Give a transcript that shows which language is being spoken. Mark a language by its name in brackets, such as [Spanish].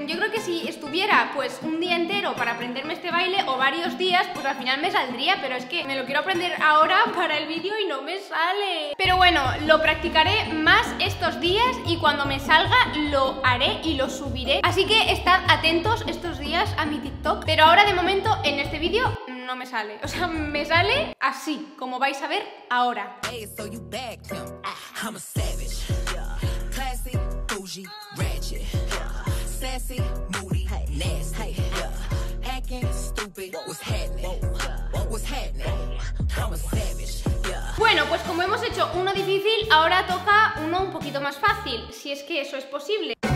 [Spanish] Yo creo que si estuviera pues un día entero para aprenderme este baile o varios días, pues al final me saldría, pero es que me lo quiero aprender ahora para el vídeo y no me sale. Pero bueno, lo practicaré más estos días y cuando me salga lo haré y lo subiré. Así que estad atentos estos días a mi TikTok. Pero ahora de momento en este vídeo no me sale. O sea, me sale así, como vais a ver ahora. [English] Hey, so you back, I'm a savage, yeah. Classy, bougie, ratchet, yeah. Sassy, moody, hey. Nasty, yeah. Hacking, stupid, what's happening? What's happening? I'm a savage. [Spanish] Bueno, pues como hemos hecho uno difícil, ahora toca uno un poquito más fácil, si es que eso es posible.